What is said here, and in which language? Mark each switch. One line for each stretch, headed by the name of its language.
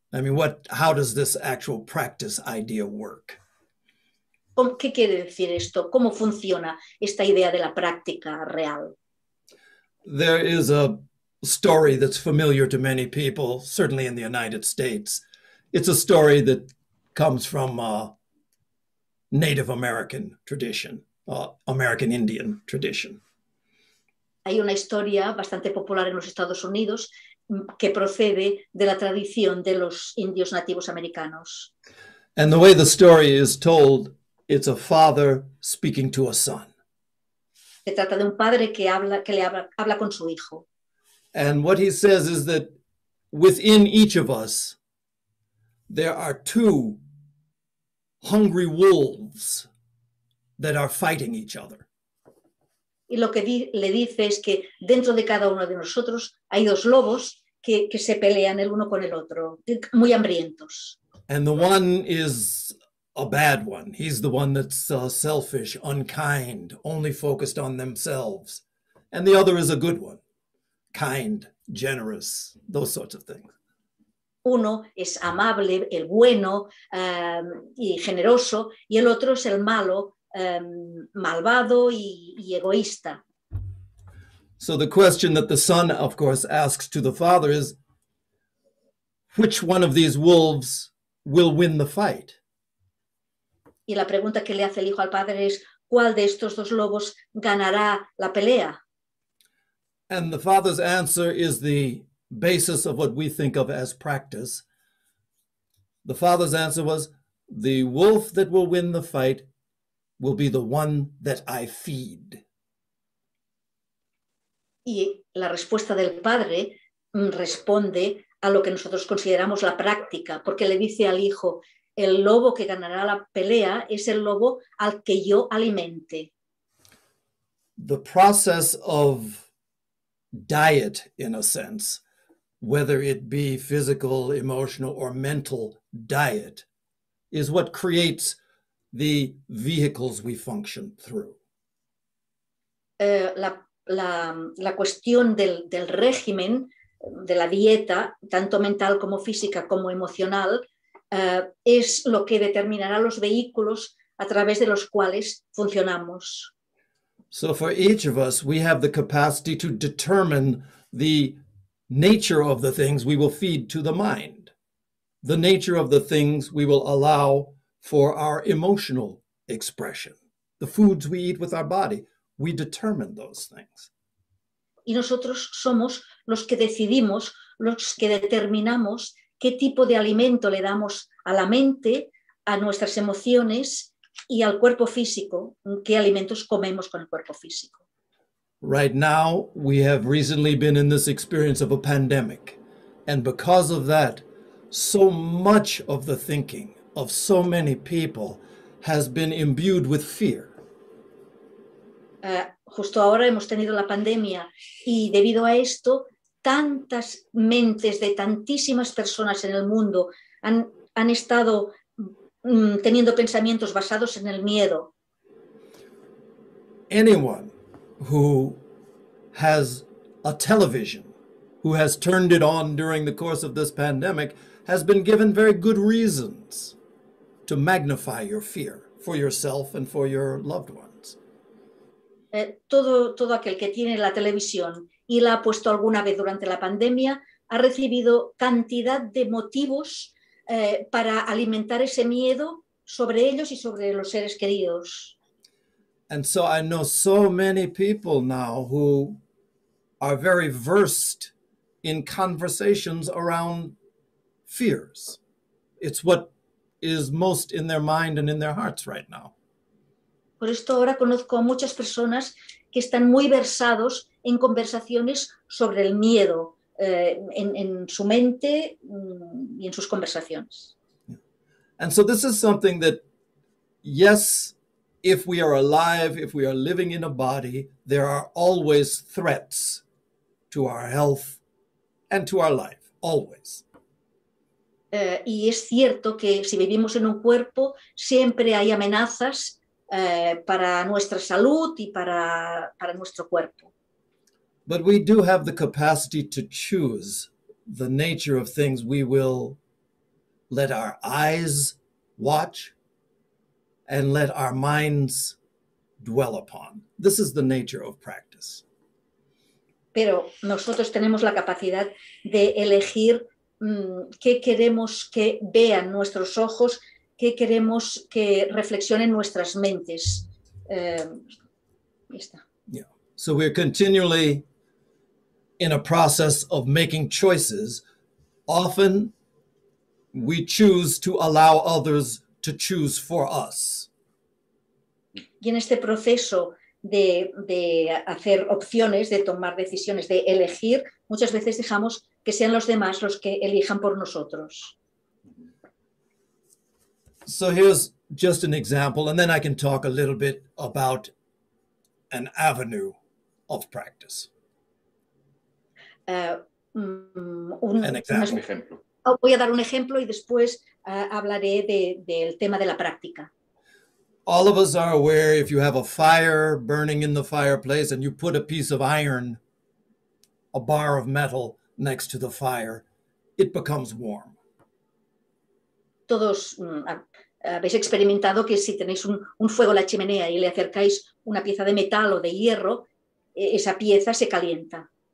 English: I mean, how does this actual practice idea work?
Spanish: ¿Qué quiere decir esto? ¿Cómo funciona esta idea de la práctica real?
English: There is a story that's familiar to many people, certainly in the United States. It's a story that comes from a Native American tradition, American Indian tradition.
Spanish: Hay una historia bastante popular en los Estados Unidos que procede de la tradición de los indios nativos americanos.
English: And the way the story is told, it's a father speaking to a son.
Spanish: Se trata de un padre que le habla con su hijo.
English: And what he says is that within each of us, there are two hungry wolves that are fighting each other.
Spanish: Y lo que le dice es que dentro de cada uno de nosotros hay dos lobos que se pelean el uno con el otro, muy hambrientos.
English: And the one is a bad one. He's the one that's selfish, unkind, only focused on themselves. And the other is a good one, kind, generous, those sorts of things.
Spanish: Uno es amable, el bueno, y generoso, y el otro es el malo, malvado y egoísta.
English: So the question that the son, of course, asks to the father is, which one of these wolves will win the fight?
Spanish: Y la pregunta que le hace el hijo al padre es, ¿cuál de estos dos lobos ganará la pelea?
English: And the father's answer is the basis of what we think of as practice. The father's answer was, the wolf that will win the fight will be the one that I feed.
Spanish: Y la respuesta del padre responde a lo que nosotros consideramos la práctica, porque le dice al hijo, el lobo que ganará la pelea es el lobo al que yo alimente.
English: The process of diet, in a sense, whether it be physical, emotional, or mental diet, is what creates the vehicles we function through.
Spanish: La cuestión del régimen, de la dieta, tanto mental como física como emocional, es lo que determinará los vehículos a través de los cuales funcionamos.
English: So for each of us, we have the capacity to determine the nature of the things we will feed to the mind, the nature of the things we will allow for our emotional expression, the foods we eat with our body, we determine those things.
Spanish: Y nosotros somos los que decidimos, los que determinamos qué tipo de alimento le damos a la mente, a nuestras emociones y al cuerpo físico, qué alimentos comemos con el cuerpo físico.
English: Right now, we have recently been in this experience of a pandemic, and because of that, so much of the thinking of so many people has been imbued with fear.
Spanish: Justo ahora hemos tenido la pandemia y debido a esto, tantas mentes de tantísimas personas en el mundo han estado teniendo pensamientos basados en el miedo.
English: Anyone who has a television, who has turned it on during the course of this pandemic, has been given very good reasons to magnify your fear for yourself and for your loved ones.
Spanish: todo aquel que tiene la televisión y la ha puesto alguna vez durante la pandemia ha recibido cantidad de motivos para alimentar ese miedo sobre ellos y sobre los seres queridos.
English: And so I know so many people now who are very versed in conversations around fears. It's what is most in their mind and in their hearts right now.
Spanish: Por esto ahora conozco a muchas personas que están muy versados en conversaciones sobre el miedo en su mente y en sus conversaciones.
English: And so this is something that, yes, if we are alive, if we are living in a body, there are always threats to our health and to our life, always.
Spanish: Y es cierto que si vivimos en un cuerpo, siempre hay amenazas para nuestra salud y para nuestro cuerpo.
English: But we do have the capacity to choose the nature of things we will let our eyes watch and let our minds dwell upon. This is the nature of practice.
Spanish: Pero nosotros tenemos la capacidad de elegir qué queremos que vean nuestros ojos, qué queremos que reflexionen nuestras mentes. Está.
English: Yeah. So we're continually in a process of making choices. Often we choose to allow others to choose for us.
Spanish: Y en este proceso de hacer opciones, de tomar decisiones, de elegir, muchas veces dejamos que sean los demás los que elijan por nosotros.
English: So here's just an example, and then I can talk a little bit about an avenue of practice.
Spanish: Un ejemplo. Voy a dar un ejemplo y después hablaré del tema de la práctica.
English: All of us are aware if you have a fire burning in the fireplace and you put a piece of iron, a bar of metal, next to the fire, it becomes warm.
Spanish: Todos habéis experimentado que si tenéis un fuego en la chimenea y le acercáis una pieza de metal o de hierro, esa pieza se calienta.